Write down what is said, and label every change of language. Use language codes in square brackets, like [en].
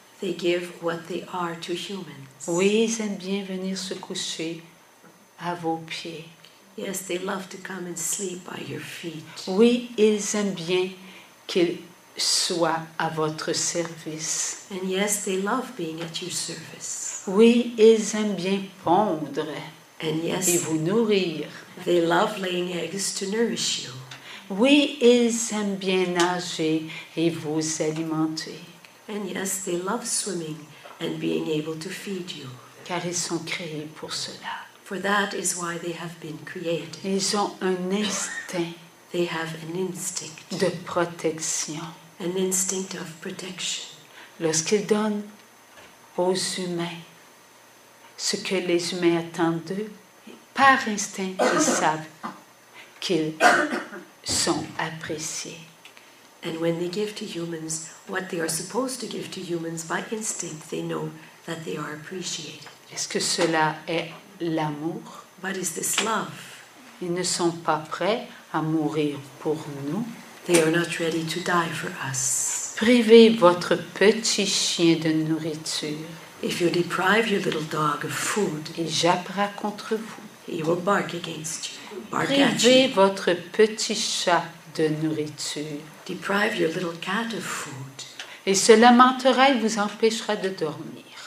[en] They give what they are to humans. [fr] Oui, ils aiment bien venir se coucher à vos pieds. [en] Yes, they love to come and sleep by your feet. [fr] Oui, ils aiment bien qu'ils soient à votre service. [en] And yes, they love being at your service. [fr] Oui, ils aiment bien pondre. [en] And yes, [fr] et vous nourrir. [en] They love laying eggs to nourish you. [fr] Oui, ils aiment bien nager et vous alimenter. [en] And yes, they love swimming and being able to feed you. [fr] Car ils sont créés pour cela. [en] For that is why they have been created. [fr] Ils ont un instinct. [en] They have an instinct. [fr] De protection. [en] An instinct of protection. [fr] Lorsqu'ils donnent aux humains ce que les humains attendent d'eux, par instinct, ils savent qu'ils sont appréciés. [en] And when they give to humans what they are supposed to give to humans, by instinct, they know that they are appreciated. [fr] Est-ce que cela est l'amour? [en] But is this love? [fr] Ils ne sont pas prêts à mourir pour nous. [en] They are not ready to die for us. [fr] Privez votre petit chien de nourriture. [en] If you deprive your little dog of food, [fr] il jappera contre vous. [en] He will bark against you. Bark [fr] privez [en] at you. [fr] Votre petit chat de nourriture. [en] Deprive your little cat of food. [fr] Il se lamentera et vous empêchera de dormir.